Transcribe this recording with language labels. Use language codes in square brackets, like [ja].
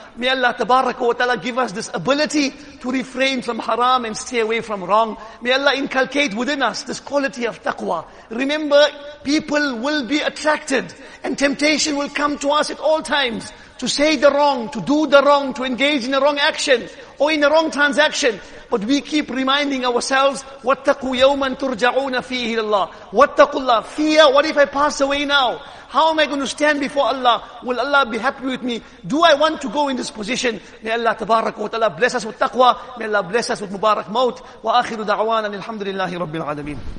[en] May Allah tabaraka wa ta'ala give us this ability to refrain from haram and stay away from wrong. May Allah inculcate within us this quality of taqwa. Remember, people will be attracted and temptation will come to us at all times to say the wrong, to do the wrong, to engage in the wrong action or in the wrong transaction. But we keep reminding ourselves, [ar] وَاتَّقُوا يَوْمًا تُرْجَعُونَ فِيهِ لِلَّهِ وَاتَّقُوا اللَّهِ. [en] Fear, what if I pass away now? How am I going to stand before Allah? Will Allah be happy with me? Do I want to go in this position? May Allah tabarak wa ta'ala bless us with taqwa. May Allah bless us with mubarak maut. [ar] Wa akhiru da'wana alhamdulillahi rabbil alameen.